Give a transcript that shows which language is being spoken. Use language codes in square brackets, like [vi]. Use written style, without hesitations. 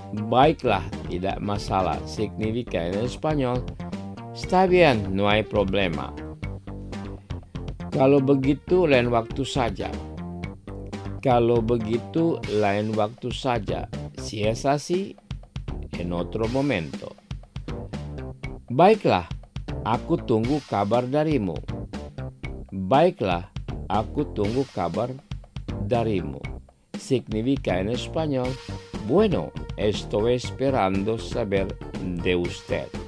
[id] Baiklah, tidak masalah. [es] Significa en español, está bien, no hay problema. [id] Kalau begitu, lain waktu saja. Kalau begitu, lain waktu saja. [es] Si es así, en otro momento. [id] Baiklah, aku tunggu kabar darimu. Baiklah, aku tunggu kabar darimu. [es] Significa en español, bueno, estoy esperando saber de usted.